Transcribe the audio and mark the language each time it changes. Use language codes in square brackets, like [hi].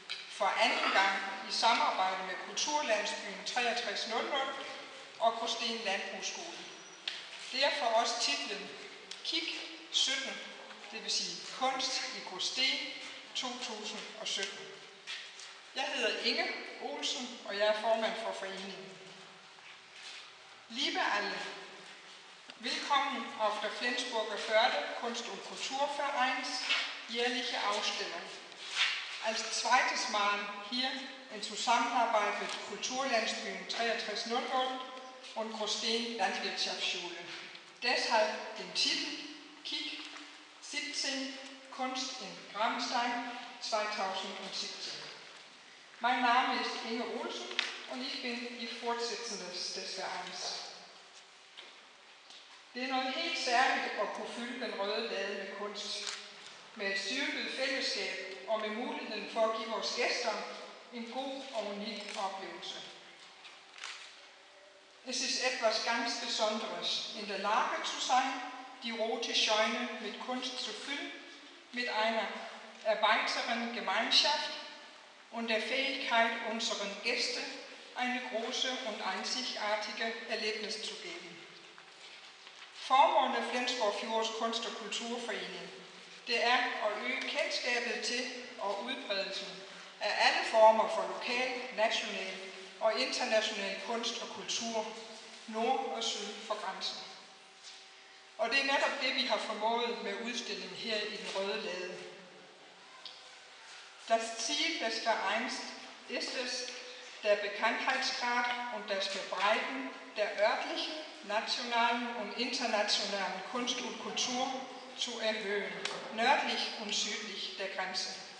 [da] For anden gang i samarbejde med Kulturlandsbyen 6300 og Krosten Landbrugsskole. Det er for os titlen KIK 17, det vil sige Kunst i Krosten 2017. Jeg hedder Inge Olsen, og jeg er formand for foreningen. [de] Liebe alle. Willkommen auf der Flensburger Förde Kunst- und Kulturvereins jährliche Ausstellung. Als zweites Mal hier in Zusammenarbeit mit Kulturlandsbyen 6300 und Krosten Landwirtschaftsschule. Deshalb den Titel KIK 17 Kunst in Gramstein 2017. Mein Name ist Inge Olsen und ich bin die Vorsitzende des Vereins. [da] Det er noget helt særligt at kunne fylde den røde lade med kunst, med et styrket fællesskab og med muligheden for at give vores gæster en god og unik oplevelse. [de] Es ist etwas ganz Besonderes, in der Lage zu sein, die rote Scheune mit Kunst zu füllen, mit einer erweiterten Gemeinschaft und der Fähigkeit unseren Gästen eine große und einzigartige Erlebnis zu geben. [da] Formålet med Flensborg Fjords Kunst- og Kulturforening, det er at øge kendskabet til og udbredelsen af alle former for lokal, national og international kunst og kultur, nord og syd for grænsen. Og det er netop det, vi har formået med udstillingen her i den røde lade. [de] Das Ziel des Vereins ist es, der Bekanntheitsgrad und das Verbreiten der örtlichen, nationalen und internationalen Kunst und Kultur zu erhöhen, nördlich und südlich der Grenze.